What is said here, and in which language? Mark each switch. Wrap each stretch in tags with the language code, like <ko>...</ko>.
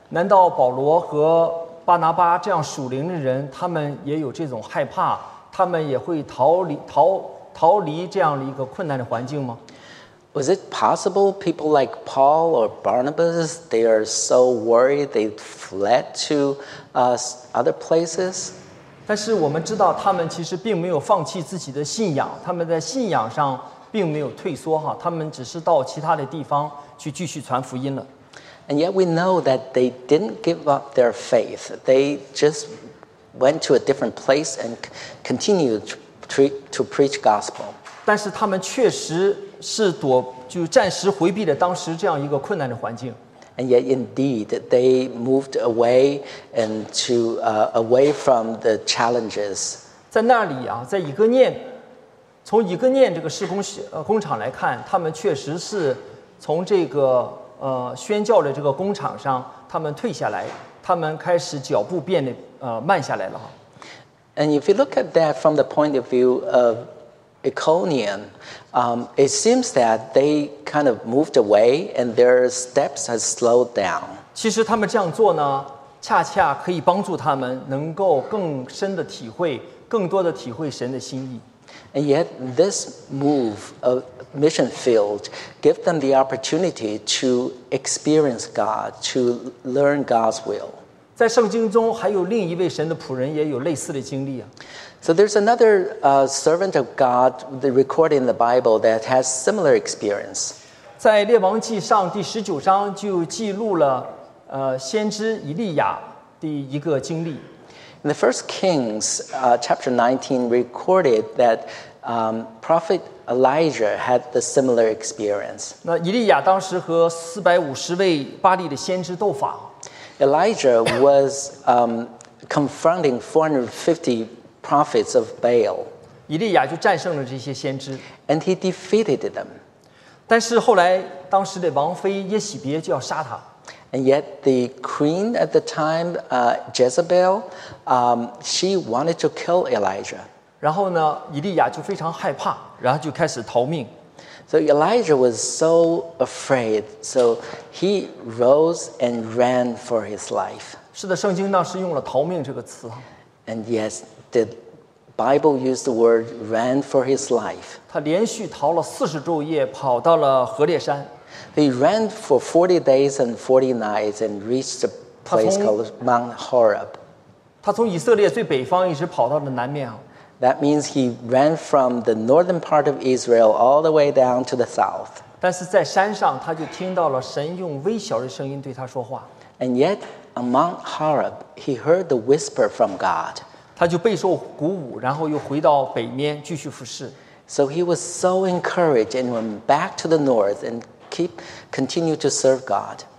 <zh>难道保罗和巴拿巴这样属灵的人，他们也有这种害怕，他们也会逃离这样的一个困难的环境吗</zh> <en>？Was it possible people like Paul or Barnabas they are so worried they fled to other places？</en> <zh>但是我们知道，他们其实并没有放弃自己的信仰，他们在信仰上并没有退缩哈，他们只是到其他的地方去继续传福音了。</zh> <en>And yet we know that they didn't give up their faith. They just went to a different place and continued to preach gospel.</en> <zh>但是他们确实是躲，就暂时回避了当时这样一个困难的环境。</zh> <en>And yet indeed, they moved away and to away from the challenges.</en> <zh>在那里啊，在以哥念，从以哥念这个施工工厂来看，他们确实是从这个。宣教的这个工厂上，他们退下来，他们开始脚步变得慢下来了。</zh> <en>And if you look at that from the point of view of Iconium, it seems that they kind of moved away and their steps has slowed down.</en> <zh>其实他们这样做呢，恰恰可以帮助他们能够更深的体会，更多的体会神的心意。</zh> <en>And yet this move of mission field give them the opportunity to experience God, to learn God's will.</en> <zh>在圣经中还有另一位神的仆人也有类似的经历啊。</zh> <en>So there's another servant of God recorded in the Bible that has similar experience.</en> <zh>在列王记上第十九章就记录了先知以利亚的一个经历。</zh> <en>In the First Kings, chapter 19, recorded that Prophet Elijah had the similar experience.</en> <zh>那以利亚当时和450位巴利的先知斗法。</zh> <en>Elijah was confronting 450 prophets of Baal.</en> <zh>以利亚就战胜了这些先知。</zh> <en>And he defeated them.</en> <zh>但是后来当时的王妃耶洗别就要杀他。</zh> <en>And yet the queen at the time, Jezebel, she wanted to kill Elijah.</en> <zh>然后呢，以利亚就非常害怕，然后就开始逃命。</zh> <en>So Elijah was so afraid, so he rose and ran for his life.</en> <zh>是的，圣经当时用了逃命这个词。</zh> <en>And yes, the Bible used the word ran for his life.</en> <zh>他连续逃了四十昼夜，跑到了何烈山。</zh> <en>He ran for 40 days and 40 nights and reached a place called Mount Horeb.</en> <zh>他从以色列最北方一直跑到了南面。</zh> <en>That means he ran from the northern part of Israel all the way down to the south.</en> <zh>但是在山上他就听到了神用微小的声音对他说话。</zh> <en>And yet, on Mount Horeb, he heard the whisper from God.</en> <zh>他就备受鼓舞，然后又回到北面继续服事。</zh> <en>So he was so encouraged and went back to the north and continue to serve God.</en>